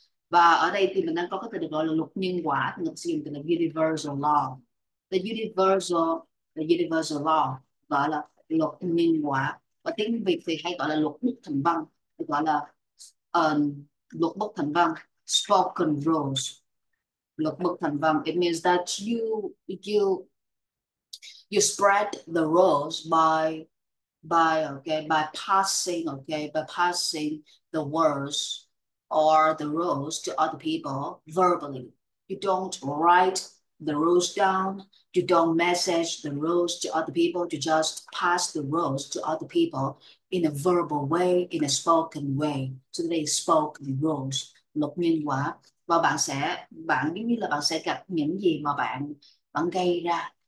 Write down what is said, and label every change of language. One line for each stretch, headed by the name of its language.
Vietnamese: Và ở đây thì mình đang có cái từ được gọi là luật nhân quả, mình sử dụng từ là
English: universal law. The universal law
Vietnamese: gọi là luật nhân quả. Và tiếng Việt thì hay gọi là luật bất thành văn, được gọi là luật bất thành văn,
English: spoken rules.
Vietnamese: Luật bất thành văn,
English: it means that you spread the rules by passing the words or the rules to other people verbally. You don't write the rules down. You don't message the rules to other people. You just pass the rules to other people in a verbal way, in a spoken way. So they spoke the rules.
Vietnamese: Luật nhân quả. Và bạn giống như là bạn sẽ gặp những gì mà bạn gây ra.